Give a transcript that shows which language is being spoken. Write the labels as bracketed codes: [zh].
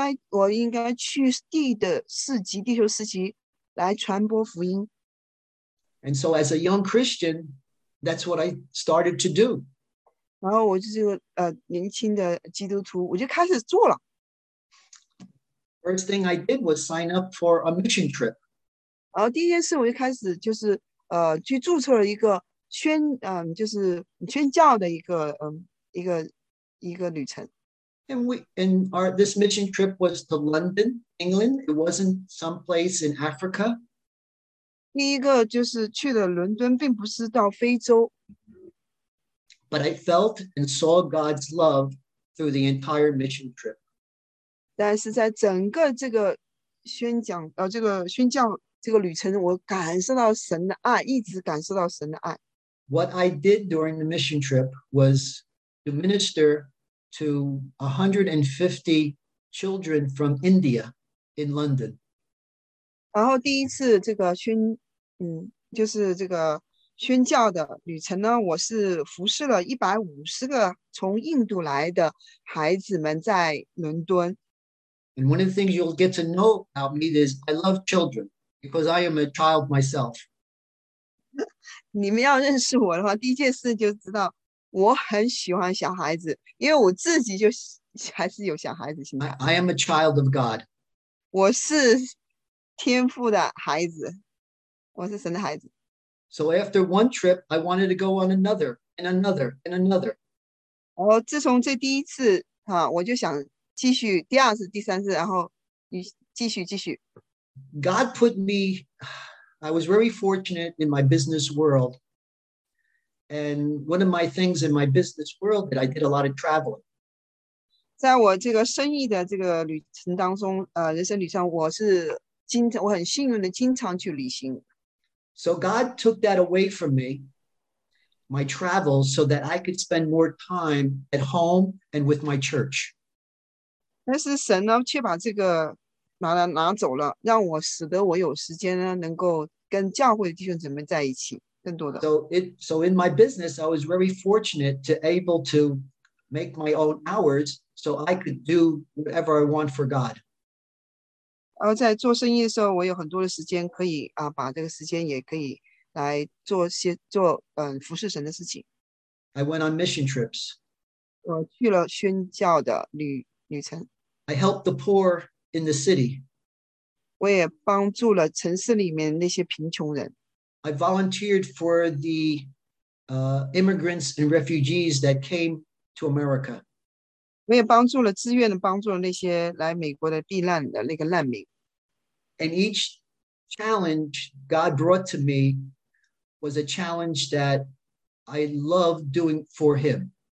[zh] 我应该去地球四极来传播福音。 [en] And so as a young Christian, that's what I started to do. [zh] 然后我就是年轻的基督徒，我就开始做了。 [en] First thing I did was sign up for a mission trip. [zh] 然后第一件事我就开始就是去注册了一个就是宣教的一个旅程。 [en] This mission trip was to London, England. It wasn't someplace in Africa. [zh] 第一个就是去了伦敦，并不是到非洲。 [en] But I felt and saw God's love through the entire mission trip. [zh] 但是在整个这个宣教这个旅程，我感受到神的爱，一直感受到神的爱。 [en] What I did during the mission trip was to minister to 150 children from India in London. [zh] 然后第一次这个就是这个宣教的旅程呢，我是服侍了150个从印度来的孩子们在伦敦。 [en] And one of the things you'll get to know about me is I love children because I am a child myself. [zh] 你们要认识我的话，第一件事就知道我很喜欢小孩子，因为我自己就还是有小孩子心态。 [en] I am a child of God. [zh] 我是天父的孩子，我是神的孩子。 [en] So after one trip, I wanted to go on another and another and another. [zh] 然后自从这第一次我就想继续第二次、第三次，然后继续。 [en] God put me. I was very fortunate in my business world. And one of my things in my business world that I did a lot of traveling. [zh] 在我这个生意的这个旅程当中人生旅程我很幸运的经常去旅行。 [en] So God took that away from me, my travels, so that I could spend more time at home and with my church. [zh] 但是神呢却把这个拿走了，让我使得我有时间呢能够跟教会的弟兄姊妹在一起更多的。 [en] So in my business, I was very fortunate to able to make my own hours so I could do whatever I want for God. [zh] 然后在做生意的时候，我有很多的时间可以把这个时间也可以来做服侍神的事情。 [en] I went on mission trips. [zh] 我去了宣教的旅程。 [en] I helped the poor in the city. [zh] 我也帮助了城市里面那些贫穷人。 [en] I volunteered for the immigrants and refugees that came to America. [zh] 我也帮助了自愿的帮助了那些来美国的避难的那个难民。 [en] And each challenge God brought to me was a challenge that I loved doing for Him.